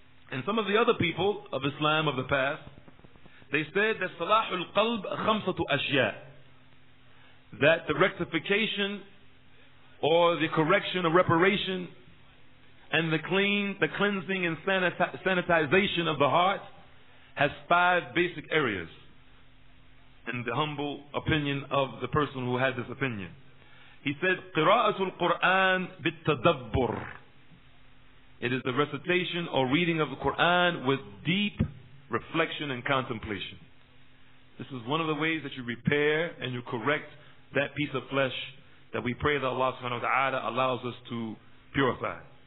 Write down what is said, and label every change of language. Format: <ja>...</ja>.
<en>And some of the other people of Islam of the past, they said that</en> <ar>salahul qalb khamsatu ashya,</ar> <en>that the rectification or the correction or reparation and the cleansing and sanitization of the heart has five basic areas, in the humble opinion of the person who had this opinion.</en> <ar>He said, قِرَاءَةُ الْقُرْآنِ بِالتَّدَبُّرِ.</ar> <en>It is the recitation or reading of the Qur'an with deep reflection and contemplation. This is one of the ways that you repair and you correct that piece of flesh that we pray that Allah subhanahu wa ta'ala allows us to purify.</en>